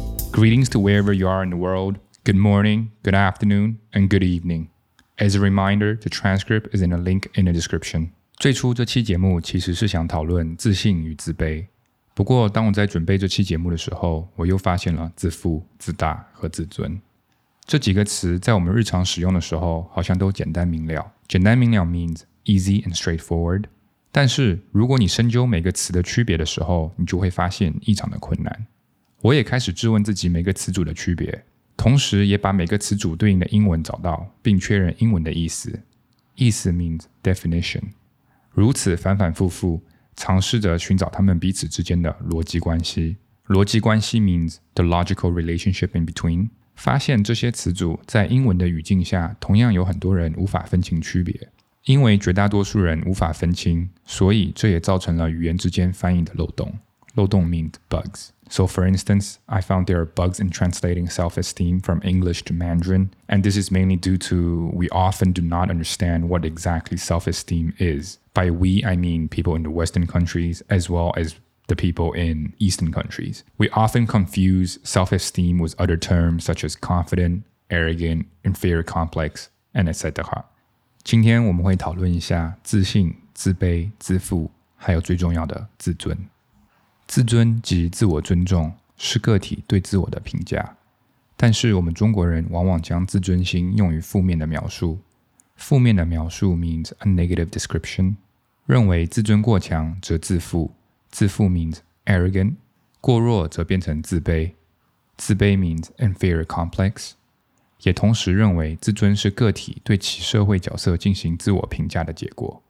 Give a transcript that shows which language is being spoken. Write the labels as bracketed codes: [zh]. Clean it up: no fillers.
[en] Greetings to wherever you are in the world. Good morning, good afternoon, and good evening. As a reminder, the transcript is in a link in the description. [zh] 最初这期节目其实是想讨论自信与自卑。不过当我在准备这期节目的时候，我又发现了自负、自大和自尊。这几个词在我们日常使用的时候好像都简单明了。 [en] 简单明了 means easy and straightforward。 [zh] 但是如果你深究每个词的区别的时候，你就会发现异常的困难。我也开始质问自己每个词组的区别，同时也把每个词组对应的英文找到，并确认英文的意思。 [en] 意思 means definition。 [zh] 如此反反复复，尝试着寻找他们彼此之间的逻辑关系。 [en] 逻辑关系 means the logical relationship in between。 [zh] 发现这些词组在英文的语境下，同样有很多人无法分清区别。因为绝大多数人无法分清，所以这也造成了语言之间翻译的漏洞。 [en] 漏洞 means bugs。 So for instance, I found there are bugs in translating self-esteem from English to Mandarin, and this is mainly due to we often do not understand what exactly self-esteem is. By we, I mean people in the Western countries as well as the people in Eastern countries. We often confuse self-esteem with other terms such as confident, arrogant, inferior complex, and etc. [zh] 今天我们会讨论一下自信、自卑、自负，还有最重要的自尊。自尊及自我尊重是个体对自我的评价，但是我们中国人往往将自尊心用于负面的描述。负面的描述 [en] means a negative description， [zh] 认为自尊过强则自负，自负 [en] means arrogant， [zh] 过弱则变成自卑，自卑 [en] means inferior complex， [zh] 也同时认为自尊是个体对其社会角色进行自我评价的结果。